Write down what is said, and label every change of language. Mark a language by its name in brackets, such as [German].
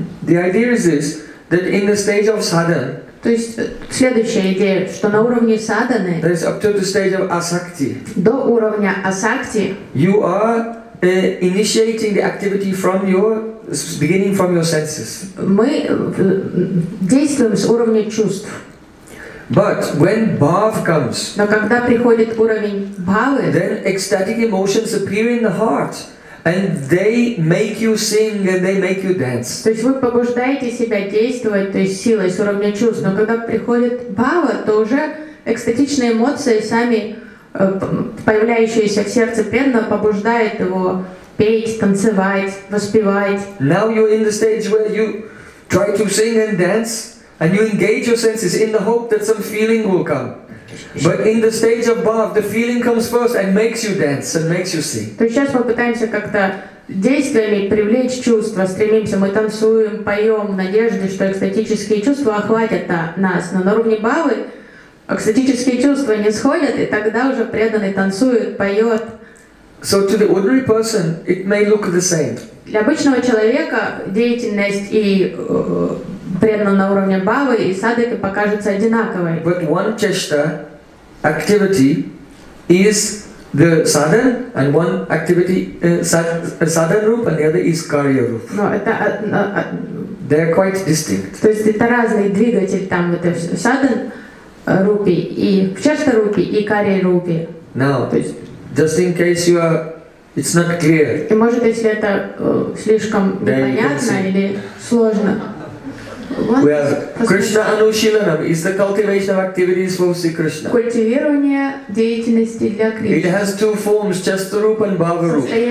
[English] The idea is this, that in the stage of sadhana. [Russian] То есть следующая идея, что на уровне садханы. [English] That is up to the stage of asakti. [Russian] До уровня асакти. [English] You are initiating the activity from your beginning from your senses. [Russian] Мы действуем с уровня чувств. [English] But when bhava comes. [Russian] Но когда приходит уровень бхавы. [English] Then ecstatic emotions appear in the heart. And they make you sing and they make you dance. [Russian] То есть вы побуждаете себя действовать, то есть силой с уровня чувств, но когда приходит бхава, то уже экстатичные эмоции сами появляющиеся в сердце преданного побуждают его петь, танцевать, воспевать. [English] Now you're in the stage where you try to sing and dance and you engage your senses in the hope that some feeling will come. But in the stage of bhava, the feeling comes first and makes you dance and makes you sing. [Russian] То есть сейчас мы пытаемся как-то действиями привлечь чувства, стремимся, мы танцуем, поем, надежды, что экстатические чувства охватят нас. Но на уровне бхавы экстатические чувства не сходят, и тогда уже преданный танцует, поет. [English] So to the ordinary person, it may look the same. [Russian] Для обычного человека деятельность и преданного на уровне бхавы и садхаки покажется одинаковой. [English] But one чешта activity is the sadhana, and one activity sadhana rupa, and the other is karya rupa. No, [Russian] это [English] they are quite distinct. [Russian] То есть это разные двигатели там, это sadhana rupi и чешта рупи и карья рупи. [English] Now, just in case you are. It's not clear. [Russian] И может, если это слишком непонятно или сложно. [English] We have Krishna Anushilanam is the cultivation of activities for Sri Krishna. [Russian] Культивирование деятельности для Кришны. [English] It has two forms, chasta rupa and bhava rupa.